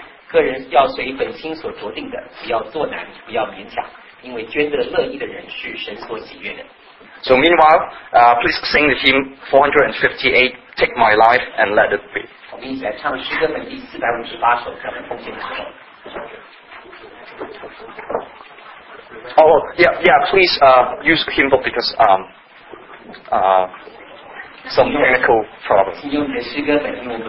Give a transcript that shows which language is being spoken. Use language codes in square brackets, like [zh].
[zh] 个人要随本心所酌定的, 不要做难, 不要勉强, 因为捐得乐意的人是神所喜悦的。 [en] So meanwhile, please sing the hymn 458, Take My Life and Let It Be. [zh] 我们一起来唱诗歌本第458首, 在我们奉献的时候。 [en] Oh, yeah, yeah, please use the hymn book because, some technical problems.